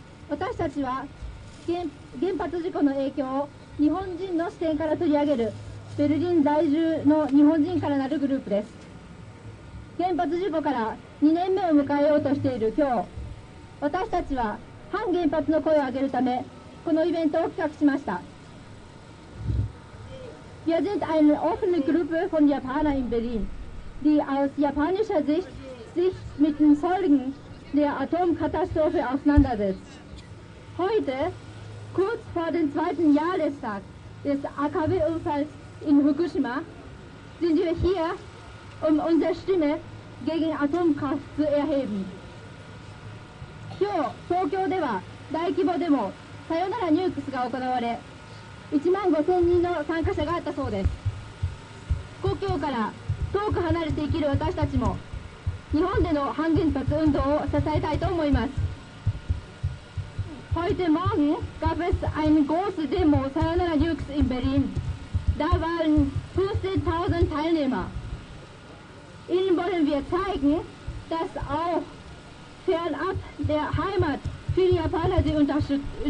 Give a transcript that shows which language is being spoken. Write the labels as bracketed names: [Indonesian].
[Japanese] 私たちは原発事故の影響を日本人の視点から取り上げるベルリン在住の日本人からなるグループです。原発事故から2年目を迎えようとしている今日、私たちは反原発の声を上げるためこのイベントを企画しました。 [German] Wir sind eine offene Gruppe von Japanern in Berlin, die aus japanischer Sicht sich mit den Folgen der Atomkatastrophe auseinandersetzt. Heute, kurz vor dem zweiten Jahrestag des AKW-Unfalls in Fukushima, sind wir hier, um unsere Stimme gegen Atomkraft zu erheben. [Japanese] 今日、東京では大規模デモ、さよならニュークスが行われ、1万5000人の参加者があったそうです。故郷から遠く離れて生きる私たちも、日本での反原発運動を支えたいと思います。 [German] Heute Morgen gab es eine große Demo, さよならニュークス in Berlin. Da waren 15.000 Teilnehmer. Ihnen wollen wir zeigen, dass auchfernab der Heimat viele Japaner sie unterstützen.